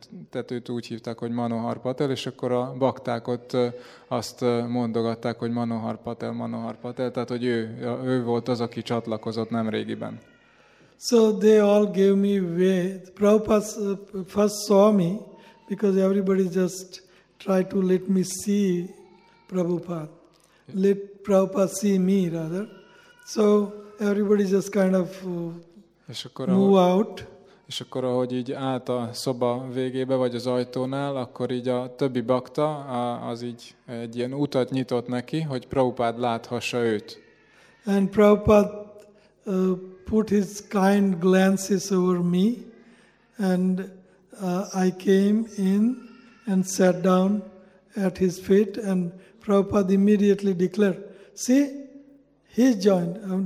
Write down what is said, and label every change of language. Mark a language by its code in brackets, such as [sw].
[hu] akit úgy hívták, hogy Manohar Patel, és akkor a bakták ott azt mondogatták, hogy Manohar Patel, Manohar Patel, tehát hogy ő volt az, aki csatlakozott nemrégiben. [en] So they all gave me way. Prabhupada first saw me, because everybody just tried to let me see Prabhupada. Let Prabhupada see me, rather. So everybody just kind of [hu] És akkor, ahogy így állt a szoba végébe, vagy az ajtónál, akkor így a többi bakta, az így egy ilyen utat nyitott neki, hogy Prabhupada láthassa őt. [en] And Prabhupada put his kind glances over me, and I came in and sat down at his feet, and Prabhupada immediately declared, see, he joined.